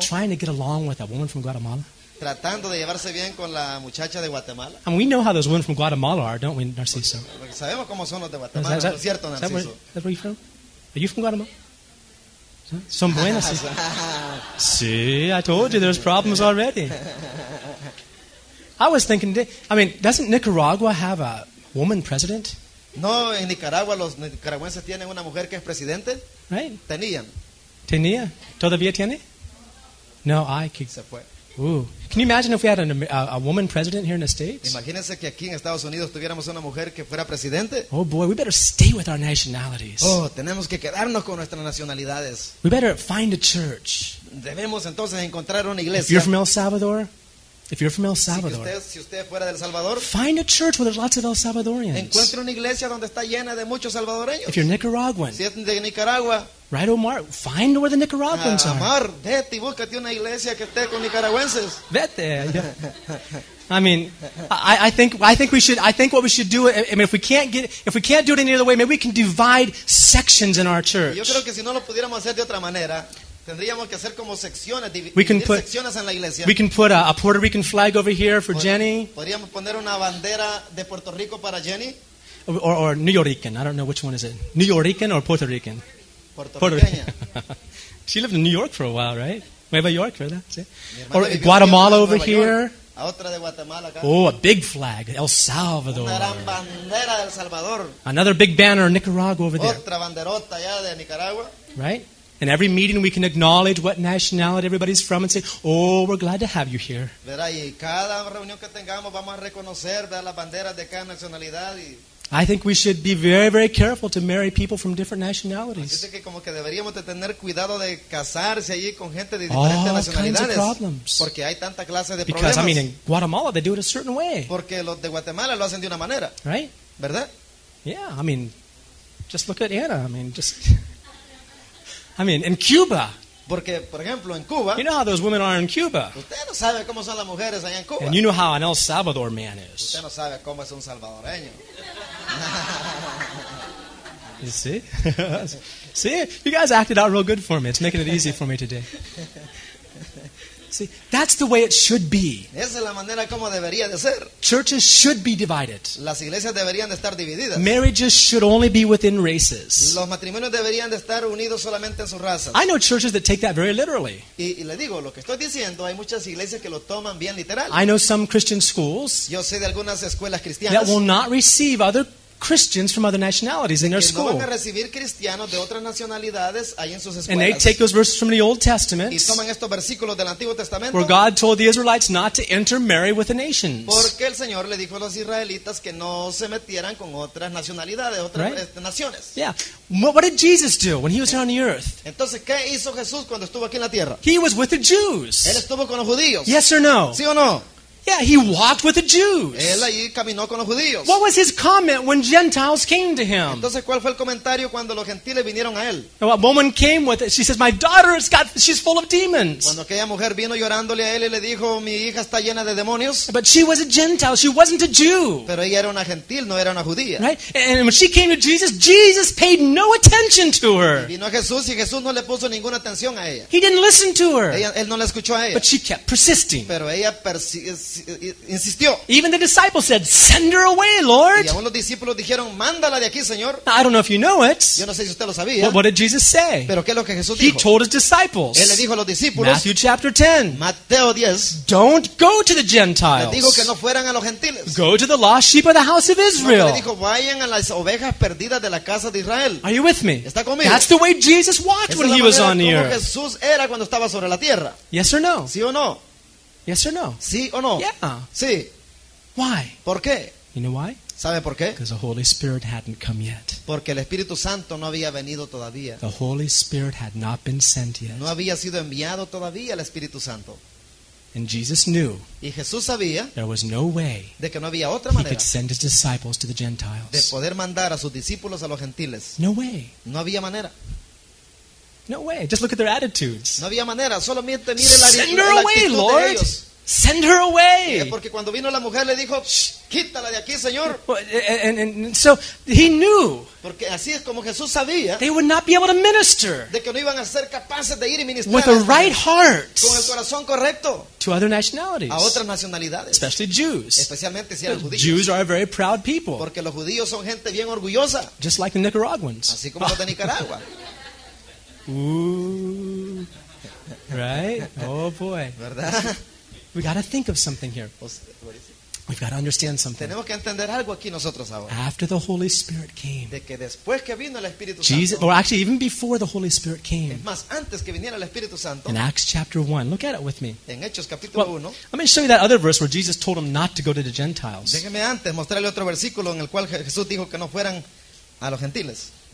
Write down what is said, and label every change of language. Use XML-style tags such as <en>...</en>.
<en>trying to get along with a woman from Guatemala.</en> <es>Tratando de llevarse bien con la muchacha de Guatemala.</es> <en>And we know how those women from Guatemala are, don't we, Narciso?</en> <es>Sabemos cómo son los de Guatemala, ¿no es cierto, Narciso?</es> <en>Is that where you from? Are you from Guatemala?</en> <es>Son buenas. Sí. Sí,</es> <en>I told you there's problems already. I was thinking, I mean, doesn't Nicaragua have a woman president?</en> <es>No, en Nicaragua los nicaragüenses tienen una mujer que es presidente.</es> <en>Right.</en> <es>Tenían. Tenía. ¿Todavía tiene? No,</es> <en>I could.</en> <es>Se fue. Ooh.</es> <en>Can you imagine if we had a woman president here in the States?</en> <es>Imagínense que aquí en Estados Unidos tuviéramos una mujer que fuera presidente.</es> <en>Oh boy, we better stay with our nationalities.</en> <es>Oh, tenemos que quedarnos con nuestras nacionalidades.</es> <en>We better find a church.</en> <es>Debemos entonces encontrar una iglesia.</es> <en>If you're from El Salvador, if you're from El Salvador,</en> <es>si usted fuera del Salvador,</es> <en>find a church where there's lots of El Salvadorians.</en> <es>Encuentre una iglesia donde está llena de muchos salvadoreños.</es> <en>If you're Nicaraguan,</en> <es>si es de Nicaragua,</es> <en>Right, Omar. Find where the Nicaraguans are.</en> <es>Omar, vete y búscate una iglesia que esté con nicaragüenses. Vete.</es> <en>I mean, I think what we should do, I mean, if we can't do it any other way, maybe we can divide sections in our church.</en> <es>Yo creo que si no lo pudiéramos hacer de otra manera, tendríamos que hacer como secciones, dividir secciones en la iglesia.</es> <en>We can put a Puerto Rican flag over here for Jenny.</en> <es>Podríamos poner una bandera de Puerto Rico para Jenny.</es> <en>Or New Yorican. I don't know which one is it. New Yorican or Puerto Rican? Puerto Rican. She lived in New York for a while, right? Nueva York,</en> <es>¿verdad? Sí.</es> <en>Or Guatemala over here.</en> <es>A otra de Guatemala, acá.</es> <en>Oh, a big flag. El Salvador.</en> <es>Una gran bandera del Salvador.</es> <en>Another big banner in Nicaragua over there.</en> <es>Otra banderota ya de Nicaragua.</es> <en>Right? In every meeting we can acknowledge what nationality everybody's from and say, oh, we're glad to have you here.</en> <es>¿Verdad? Y cada reunión que tengamos vamos a reconocer, ¿verdad?, las banderas de cada nacionalidad y...</es> <en>I think we should be very, very careful to marry people from different nationalities. All kinds of problems. Because, I mean, in Guatemala, they do it a certain way. Right? Yeah, I mean, just look at Anna. In Cuba.</en> <es>Porque, por ejemplo, en Cuba,</es> <en>you know how those women are in Cuba.</en> <es>Usted no sabe cómo son las mujeres allá en Cuba.</es> <en>And you know how an El Salvador man is.</en> <es>Usted no sabe cómo es un salvadoreño.</es> <en>You see? See? You guys acted out real good for me. It's making it easy for me today. See, that's the way it should be.</en> <es>Esa es la manera como debería de ser.</es> <en>Churches should be divided.</en> <es>Las iglesias deberían de estar divididas.</es> <en>Marriages should only be within races.</en> <es>Los matrimonios deberían de estar unidos solamente en sus razas.</es> <en>I know churches that take that very literally.</en> <es>Y le digo, lo que estoy diciendo, hay muchas iglesias que lo toman bien literal.</es> <en>I know some Christian schools.</en> <es>Yo sé de algunas escuelas cristianas.</es> <en>That will not receive other Christians from other nationalities in their school.</en> <es>Cristianos de otras nacionalidades ahí en sus</es> <en>and they take those verses from the Old Testament</en> <es>y toman estos versículos del Antiguo Testamento,</es> <en>where God told the Israelites not to intermarry with the nations.</en> <es>Porque el Señor le dijo a los israelitas que no se metieran con otras nacionalidades, otras</es> <en>right?</en> <es>Naciones.</es> <en>Yeah. What did Jesus do when he was here on the earth?</en> <es>Entonces, ¿qué hizo Jesús cuando estuvo aquí en la tierra?</es> <en>He was with the Jews.</en> <es>Él estuvo con los judíos.</es> <en>Yes or no?</en> <es>¿Sí o no?</es> <en>Yeah, he walked with the Jews.</en> <es>Él allí caminó con los judíos.</es> <en>What was his comment when Gentiles came to him?</en> <es>Entonces, ¿cuál fue el comentario cuando los gentiles vinieron a él?</es> <en>A woman came with it. She says, my daughter has got, she's full of demons.</en> <es>Cuando aquella mujer vino llorándole a él y le dijo, mi hija está llena de demonios.</es> <en>But she was a Gentile. She wasn't a Jew.</en> <es>Pero ella era una gentil, no era una judía.</es> <en>Right? And when she came to Jesus, Jesus paid no attention to her.</en> <es>Y vino a Jesús y Jesús no le puso ninguna atención a ella.</es> <en>He didn't listen to her.</en> <es>Él no la escuchó a ella.</es> <en>But she kept persisting.</en> <es>Pero ella insistió.</es> <en>Even the disciples said, send her away, Lord.</en> <es>Y aún los discípulos dijeron, mándala de aquí, Señor.</es> <en>I don't know if you know it.</en> <es>Yo no sé si usted lo sabía.</es> <en>But what did Jesus say?</en> <es>Pero ¿qué es lo que Jesús</es> <en>he</en> <es>dijo?</es> <en>Told his disciples.</en> <es>Él le dijo a los discípulos,</es> <en>Matthew chapter 10.</en> <es>Mateo 10.</es> <en>Don't go to the Gentiles.</en> <es>Le dijo que no fueran a los gentiles.</es> <en>Go to the lost sheep of the house of Israel.</en> <es>No, le dijo, vayan a las ovejas perdidas de la casa de Israel.</es> <en>Are you with me?</en> <es>¿Está conmigo?</es> <en>That's the way Jesus walked</en> <es>Esa</es> <en>when he was on the earth.</en> <es>Jesús era cuando estaba sobre la tierra.</es> <en>Yes or no?</en> <es>¿Sí o no?</es> <en>Yes or no?</en> <es>Sí o no?</es> <en>Yeah.</en> <es>Sí.</es> <en>Why?</en> <es>¿Por qué?</es> <en>You know why?</en> <es>¿Sabe por qué?</es> <en>Because the Holy Spirit hadn't come yet.</en> <es>Porque el Espíritu Santo no había venido todavía.</es> <en>The Holy Spirit had not been sent yet.</en> <es>No había sido enviado todavía el Espíritu Santo.</es> <en>And Jesus knew</en> <es>y Jesús sabía</es> <en>there was no way</en> <es>de que no había otra</es> <en>he could send his disciples to the Gentiles.</en> <es>De poder mandar a sus discípulos a los gentiles.</es> <en>No way.</en> <es>No había manera.</es> <en>No way. Just look at their attitudes.</en> <es>No había manera. Solamente mire</es> <en>send</en> <es>la actitud</es> <en>her away,</en> <es>de</es> <en>Lord.</en> <es>Ellos.</es> <en>Send her away.</en> <es>Porque cuando vino la mujer le dijo, quítala de aquí, Señor.</es> <en>And so he knew.</en> <es>Porque así es como Jesús sabía.</es> <en>They would not be able to minister.</en> <es>De que no iban a ser capaces de ir y ministrar.</es> <en>With a right heart.</en> <es>Con el corazón correcto.</es> <en>To other nationalities.</en> <es>A otras nacionalidades.</es> <en>Especially Jews.</en> <es>Especialmente si eran judíos.</es> <en>Jews are a very proud people.</en> <es>Porque los judíos son gente bien orgullosa.</es> <en>Just like the Nicaraguans.</en> <es>Así como los de Nicaragua.</es> <en>Ooh. Right? Oh boy.</en> <es>¿Verdad?</es> <en>We got to think of something here. We've got to understand something.</en> <es>Tenemos que entender algo aquí nosotros ahora.</es> <en>After the Holy Spirit came.</en> <es>De que después que vino el Espíritu Santo,</es> <en>Jesus, or actually even before the Holy Spirit came.</en> <es>Es más, antes que viniera el Espíritu Santo,</es> <en>in Acts chapter 1. Look at it with me.</en> <es>En Hechos capítulo 1.</es> <en>Well, let me show you that other verse where Jesus told them not to go to the Gentiles.</en> <es>Déjeme antes mostrarle otro versículo en el cual Jesús dijo que no fueran a los gentiles.</es>